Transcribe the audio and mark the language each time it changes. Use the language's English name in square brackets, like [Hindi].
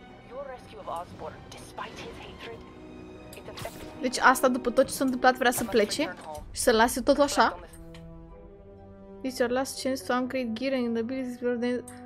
[English] Your rescue of Osborn, despite his hatred, it affected me. [Romanian] Deci asta, după tot ce s-a întâmplat, vrea să plece și să lase tot așa. [English] This is your last chance to upgrade gear and abilities for the...